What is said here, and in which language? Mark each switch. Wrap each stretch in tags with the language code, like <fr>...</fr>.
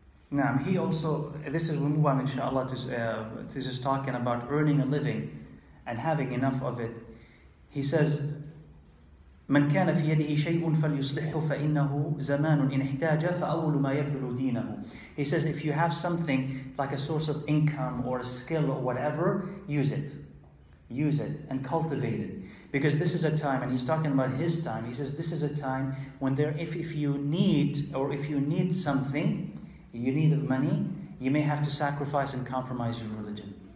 <en>Now, he also, this is, we move on inshallah, this is talking about earning a living and having enough of it. He says,</en> <ar>مَنْ كَانَ فِي يَدِهِ شَيْءٌ فَلْيُصْلِحُهُ فَإِنَّهُ زَمَانٌ إِنْ احْتَاجَ فَأَوْلُ مَا يَبْذُلُ دِينَهُ.</ar> <en>He says, if you have something like a source of income or a skill or whatever, use it. Use it and cultivate it. Because this is a time, and he's talking about his time, he says, this is a time when there, if you need, or if you need something, you need of money, you may have to sacrifice and compromise your religion.</en>